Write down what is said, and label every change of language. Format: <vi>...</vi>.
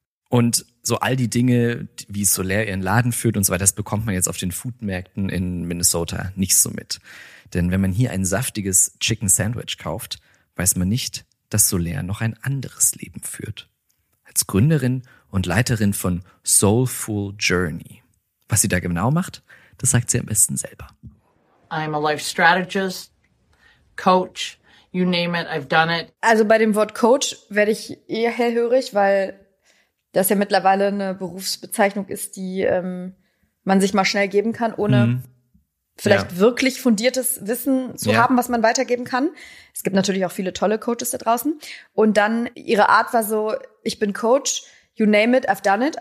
<de>Und so all die Dinge, wie Soler ihren Laden führt und so weiter, das bekommt man jetzt auf den Foodmärkten in Minnesota nicht so mit. Denn wenn man hier ein saftiges Chicken Sandwich kauft, weiß man nicht, dass Soler noch ein anderes Leben führt. Als Gründerin und Leiterin von Soulful Journey. Was sie da genau macht, das sagt sie am besten selber.</de> <en>I'm a life strategist, coach, you name it, I've done it.</en> <de>Also bei dem Wort Coach werde ich eher hellhörig, weil das ja mittlerweile eine Berufsbezeichnung ist, die man sich mal schnell geben kann, ohne vielleicht wirklich fundiertes Wissen zu haben, was man weitergeben kann. Es gibt natürlich auch viele tolle Coaches da draußen. Und dann ihre Art war so, ich bin Coach,</de> <en>you name it, I've done it.</en>